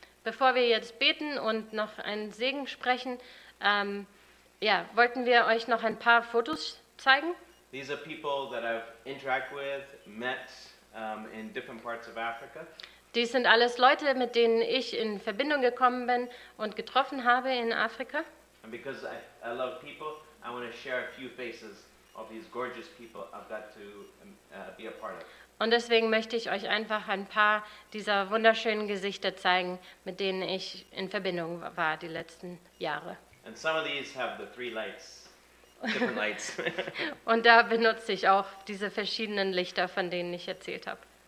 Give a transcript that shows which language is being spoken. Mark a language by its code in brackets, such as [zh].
[de] Bevor wir jetzt beten und noch einen Segen sprechen, wollten wir euch noch ein paar Fotos zeigen. [en] These are people that I've interacted with, met in different parts of Africa. [de] Dies sind alles Leute, mit denen ich in Verbindung gekommen bin und getroffen habe in Afrika. [en] And because I love people, I want to share a few faces of these gorgeous people I've got to be a part of. [de] Und deswegen möchte ich euch einfach ein paar dieser wunderschönen Gesichter zeigen, mit denen ich in Verbindung war die letzten Jahre. [en] And some of these have the three lights, different lights. [de] Und da benutze ich auch diese verschiedenen Lichter, von denen ich erzählt habe.